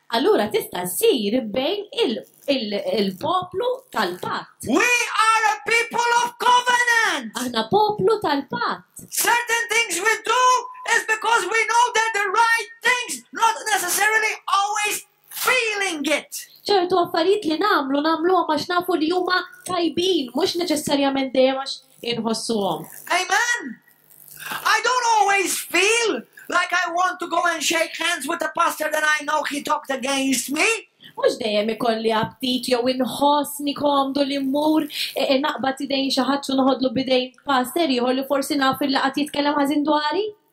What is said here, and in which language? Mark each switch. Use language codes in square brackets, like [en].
[mt] Allura tista' ssir bejn il-poplu tal-patt. [en] We are a people of covenant. [mt] Aħna poplu tal-patt. [en] Certain things we do is because we know they're the right things, not necessarily always feeling it. [mt] ċertu affarijiet li nagħmlu nagħmluhom għax nafu li huma tajbin, mhux neċessarjament dejjem għax inħossuhom. [en] Amen. I don't always feel like I want to go and shake hands with the pastor that I know he talked against me. [mt] Mhux dejjem ikolli appetit jew inħoss nikomdu li mmur naqbad idejn xi ħadd u noħodlu bidejn pastor ieħor li forsi naf illi qatt jitkellem ħażin dwari.